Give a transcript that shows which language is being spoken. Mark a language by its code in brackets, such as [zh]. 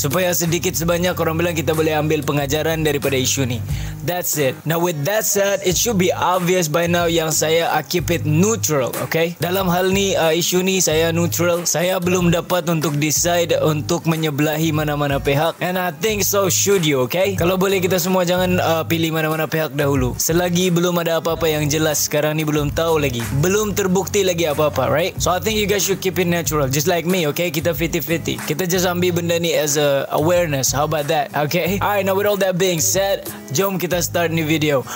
[ms] Supaya sedikit sebanyak korang bilang kita boleh ambil pengajaran daripada isu ni. [en] That's it. Now, with that said, it should be obvious by now [ms] yang saya [en] I keep it neutral, okay? [ms] Dalam hal ni, isu ni, saya neutral. Saya belum dapat untuk decide untuk menyebelahi mana-mana pihak. [en] And I think so should you, [ms] okay? Kalau boleh kita semua jangan pilih mana-mana pihak dahulu. Selagi belum ada apa-apa yang jelas. Sekarang ni belum tahu lagi. Belum terbukti lagi apa-apa, right? [en] So I think you guys should keep it natural. Just like me, okay? [ms] Kita 50-50. Kita just ambil benda ni [en] as a awareness. How about that? Okay? Alright, now with all that being said, [ms] jom kita [en] start new video.